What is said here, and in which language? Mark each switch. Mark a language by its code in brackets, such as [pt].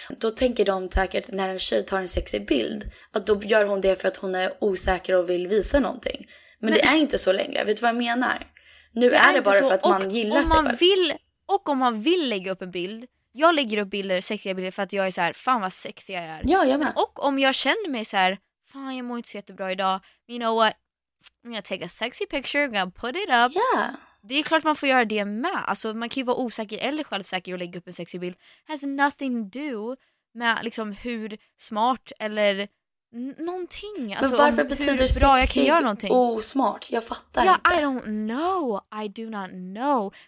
[sv] Då tänker de säkert när en tjej tar en sexig bild att då gör hon det för att hon är osäker och vill visa någonting. Men det är inte så längre, vet du vad jag menar? Nu är det bara så, för att man gillar om man sig själv. Vill, och om man vill lägga upp en bild, jag lägger upp bilder, sexiga bilder, för att jag är så här, fan vad sexig jag är. Ja, jag med. Och om jag känner mig så här, fan jag mår inte så jättebra idag, [en] you know what? I'm gonna take a sexy picture, I'm gonna put it up. Yeah. [sv] Det är klart man får göra det med. Alltså man kan ju vara osäker eller självsäker och lägga upp en sexy bild. [en] Has nothing to do [sv] med liksom hur smart eller någonting. Men alltså, varför betyder bra sexy jag kan göra någonting. Osmart? Jag fattar inte. [en] I don't know. I do not know.